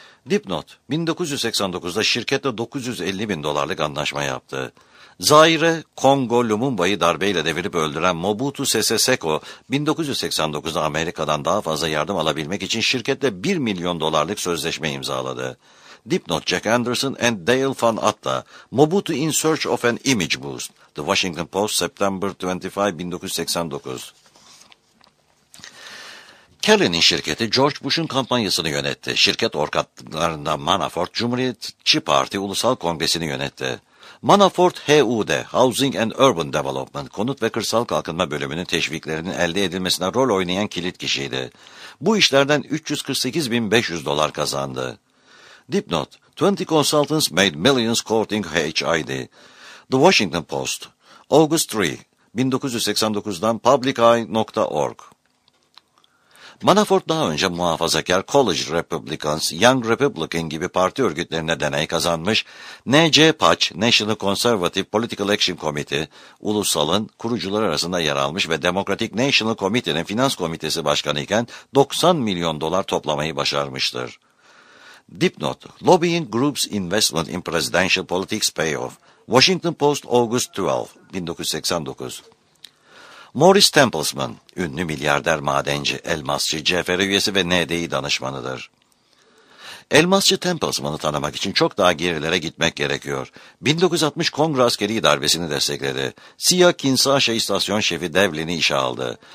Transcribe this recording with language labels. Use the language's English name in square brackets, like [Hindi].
[Turkish] Dipnot, 1989'da şirketle 950 bin dolarlık anlaşma yaptı. Zaire, Kongo, Lumumba'yı darbeyle devirip öldüren Mobutu Sese Seko, 1989'da Amerika'dan daha fazla yardım alabilmek için şirketle 1 milyon dolarlık sözleşme imzaladı. [English] Dipnot, Jack Anderson and Dale Van Atta, Mobutu in Search of an Image Boost, The Washington Post, September 25, 1989. [Turkish] Kelly'nin şirketi George Bush'un kampanyasını yönetti. Şirket ortaklarından Manafort, Cumhuriyetçi Parti Ulusal Kongresi'ni yönetti. Manafort, HUD, Housing and Urban Development, Konut ve Kırsal Kalkınma Bölümünün teşviklerinin elde edilmesine rol oynayan kilit kişiydi. Bu işlerden 348.500 dolar kazandı. [English] Dipnot, 20 consultants made millions courting HID. The Washington Post, August 3, 1989'dan publiceye.org. [Turkish] Manafort daha önce muhafazakar College Republicans, Young Republican gibi parti örgütlerine deney kazanmış, NCPAC, National Conservative Political Action Committee, Ulusal'ın kurucuları arasında yer almış ve Democratic National Committee'nin finans komitesi başkanı iken 90 milyon dolar toplamayı başarmıştır. [English] Dipnot, Lobbying Groups Investment in Presidential Politics Payoff, Washington Post, August 12, 1989. [Turkish] Maurice Templesman, ünlü milyarder madenci, elmasçı, CFR üyesi ve NDI danışmanıdır. Elmasçı Temp azmanı tanımak için çok daha gerilere gitmek gerekiyor. 1960 Kongre askeri darbesini destekledi. CIA Kinshasa istasyon şefi Devlin'i işe aldı.